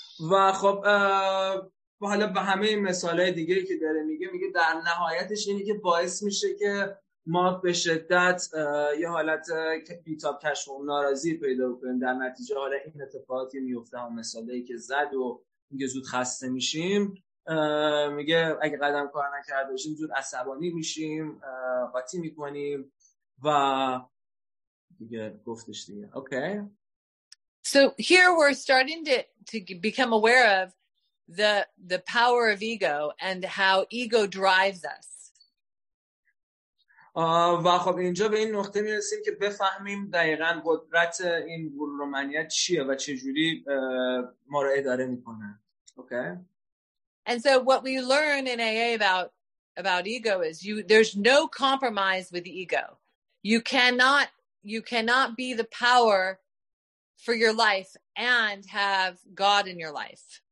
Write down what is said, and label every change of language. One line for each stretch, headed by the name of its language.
Persian: و خب حالا به همه مثالای دیگه که داره میگه، میگه در نهایتش اینی که باعث میشه که ما به شدت یه حالت بیتاب کش و ناراضی پیدا کنیم، در نتیجه حالا این اتفاقاتی میفته و مثالایی که زد و میگه زود خسته میشیم، میگه اگه قدم کار نکرده باشیم زود عصبانی میشیم، قاطی میکنیم و دیگه گفتش دیگه. اوکی.
English: So here we're starting to become aware of the power of ego and how ego drives us.
Persian: و خب اینجا به این نقطه میرسیم که بفهمیم دقیقاً قدرت این غرورمنیت چیه و چجوری ما رو اداره میکنه.
English: Okay. And so what we learn in AA about ego is there's no compromise with the ego. You cannot be the power for your life and have God in your life.